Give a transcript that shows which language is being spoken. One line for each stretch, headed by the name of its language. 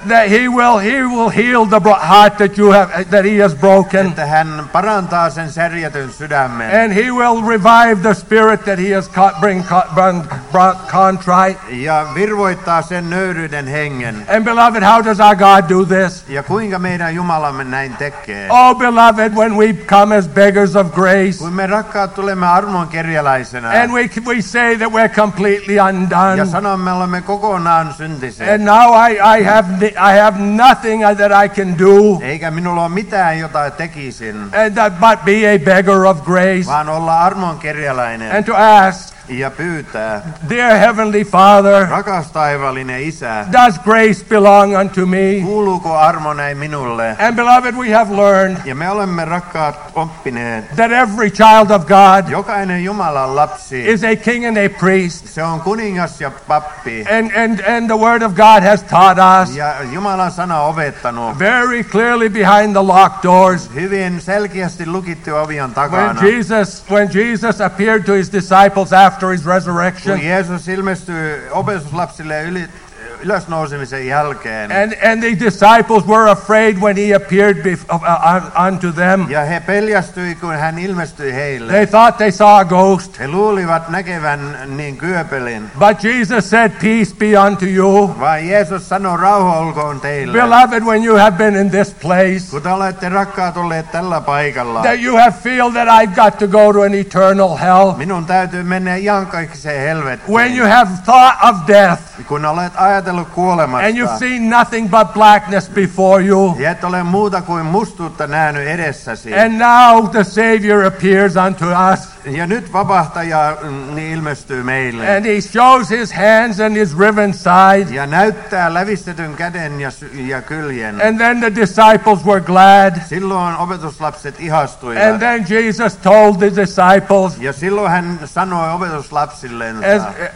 English: that he will heal the heart that you have, that he has broken,
Finnish: että hän parantaa sen särjetyn sydämen,
English: and he will revive the spirit that he has brought contrite,
Finnish: ja virvoittaa sen nöyryyden hengen.
English: And beloved, how does our God do this?
Finnish: Ja kuinka meidän Jumalamme näin tekee?
English: Oh beloved, when we come as beggars of grace,
Finnish: kun me rakkaat tulemme armon kerjäläisenä,
English: and we say that we're completely undone,
Finnish: ja sanomme olemme kokonaan syntisiä,
English: and now I have nothing that I can do,
Finnish: eikä minulla ole mitään jota tekisin,
English: and that but be a beggar of grace,
Finnish: vaan olla armon kerjäläinen,
English: and to ask,
Finnish: ja pyytää,
English: dear Heavenly Father,
Finnish: rakas taivallinen Isä,
English: does grace belong unto me?
Finnish: Kuuluuko armo näin minulle?
English: And beloved, we have learned,
Finnish: ja me olemme rakkaat oppineet,
English: that every child of God,
Finnish: jokainen Jumalan lapsi,
English: is a king and a priest.
Finnish: Se on kuningas ja pappi.
English: And the word of God has taught us,
Finnish: ja Jumalan sana opettanut,
English: very clearly behind the locked doors,
Finnish: hyvin selkeästi lukittu ovien takana,
English: when Jesus appeared to his disciples after his resurrection,
Finnish: kun Jeesus ilmestyi opetuslapsille ylösnousemisen jälkeen,
English: and the disciples were afraid when he appeared unto them,
Finnish: ja he peljästyi kun hän ilmestyi heille,
English: they thought they saw a ghost,
Finnish: he luulivat näkevän niin kyöpelin,
English: but Jesus said, peace be unto you,
Finnish: vaan Jeesus sanoi, rauha olkoon teille,
English: beloved, when you have been in this place,
Finnish: kun te olette rakkaat olleet tällä paikalla,
English: that you have feel that I've got to go to an eternal hell,
Finnish: minun täytyy mennä iankaikkiseen helvettiin,
English: when you have thought of death,
Finnish: kun olet ajatellut kuolemasta,
English: and you've seen nothing but blackness before you,
Finnish: ja et ole muuta kuin mustuutta nähnyt edessäsi,
English: and now the Savior appears unto us,
Finnish: ja nyt vapahtaja ilmestyy meille,
English: and he shows his hands and his riven side,
Finnish: ja näyttää lävistetyn käden ja kyljen,
English: and then the disciples were glad,
Finnish: silloin opetuslapset ihastuivat,
English: and then Jesus told the disciples,
Finnish: ja silloin hän sanoi opetuslapsillensa,